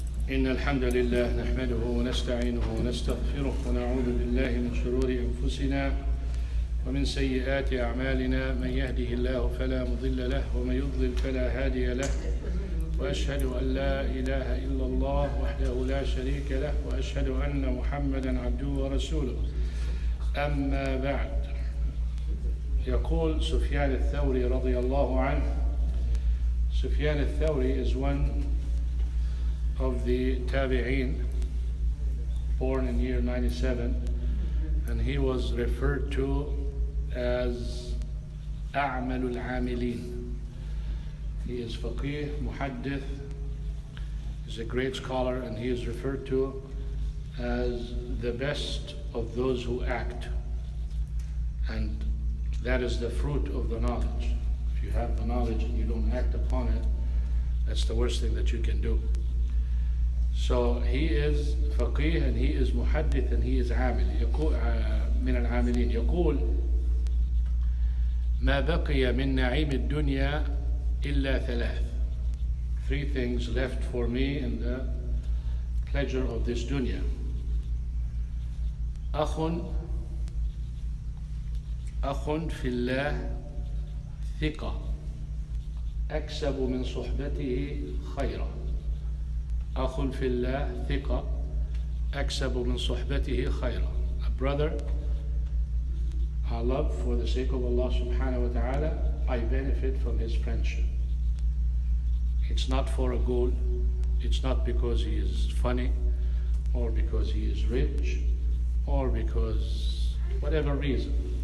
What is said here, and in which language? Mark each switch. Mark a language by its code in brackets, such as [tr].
[ar] إن الحمد لله نحمده ونستعينه ونستغفره ونعوذ بالله من شرور أنفسنا ومن سيئات أعمالنا، من يهده الله فلا مضل له ومن يضلل فلا هادي له، وأشهد أن لا إله إلا الله وحده لا شريك له، وأشهد أن محمدًا عبده ورسوله. أما بعد، يقول سفيان الثوري رضي الله عنه. [en] سفيان الثوري is one of the Tabi'een, born in year 97, and he was referred to as [ar] أعمل العاملين. [en] He is faqih, muhaddith, is a great scholar, and he is referred to as the best of those who act. And that is the fruit of the knowledge. If you have the knowledge and you don't act upon it, that's the worst thing that you can do. So he is faqih, and he is muhaddith, and he is عامل. [ar] من العاملين يقول ما بقي من نعيم الدنيا إلا ثلاث. [en] Three things left for me in the pleasure of this dunya. [ar] أخٌ في الله ثقة أكسب من صحبته خيرا. أخٌ في الله ثقة أكسب من صحبته خيرا. [en] A brother I love for the sake of Allah subhanahu wa ta'ala, I benefit from his friendship. It's not for a goal, it's not because he is funny or because he is rich or because whatever reason.